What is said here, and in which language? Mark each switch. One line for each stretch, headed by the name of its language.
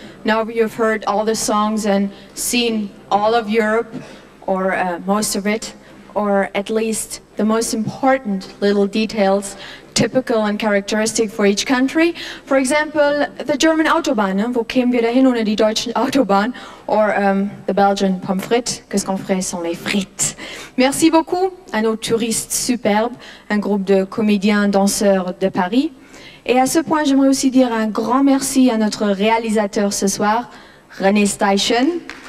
English: Now you've heard all the songs and seen all of Europe, or most of it, or at least the most important little details, typical and characteristic for each country. For example, the German Autobahn, ne?
German: Wo kämen wir da hin ohne die deutsche Autobahn?
English: Or the Belgian pommes frites,
French: qu'est-ce qu'on ferait sans les frites? Merci beaucoup à nos touristes superbes, un groupe de comédiens danseurs de Paris. Et à ce point, j'aimerais aussi dire un grand merci à notre réalisateur ce soir, Rene Steichen.